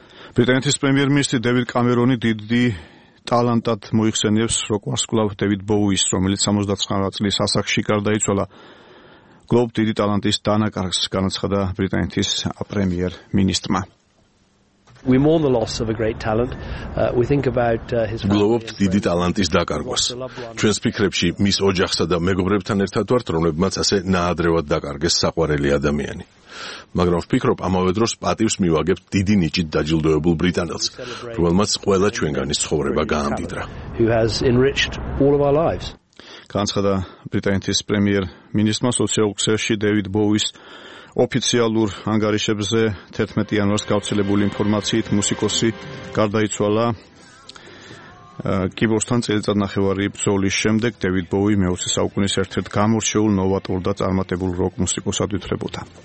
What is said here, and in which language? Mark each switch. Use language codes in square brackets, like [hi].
[ka] ბრიტანეთის პრემიერ-მინისტრი დევიდ კამერონი დიდი ტალანტად მოიხსენიებს როკ ვარსკვლავ დევიდ ბოუის, რომელიც 69 წლის ასაკში გარდაიცვალა. გლობ დიდი ტალანტის დანაკარგს, განაცხადა ბრიტანეთის პრემიერ-მინისტრმა. [en] We mourn the loss of a great talent. We think about his [ka] გლობალურ დიდი ტალანტის დაკარგვას. ჩვენს ფიქრებში მის ოჯახსა და მეგობრებთან ერთად ვართ, რომლებმაც ასე ნაადრევად დაკარგეს საყვარელი ადამიანი. მაგრამ ვფიქრობ, ამავე დროს პატივს მივაგებთ დიდი ნიჭით დაჯილდოებულ ბრიტანელს, რომელმაც ყველა ჩვენგანის ცხოვრება გაამდიდრა. [en] He has enriched all of our lives. [ka] განცხადა ბრიტანეთის პრემიერ-მინისტრმა სოციალურ ქსელში დევიდ ბოუის ოფიციალურ ანგარიშებზე 11 იანვარს გავრცელებული ინფორმაციით. მუსიკოსი გარდაიცვალა კიბოსთან წელიწადნახევარი ბრძოლის შემდეგ. დევიდ ბოუი მეოცე საუკუნის ერთ-ერთ გამორჩეულ ნოვატორ და წარმატებულ როკ მუსიკოსად ითვლებოდა.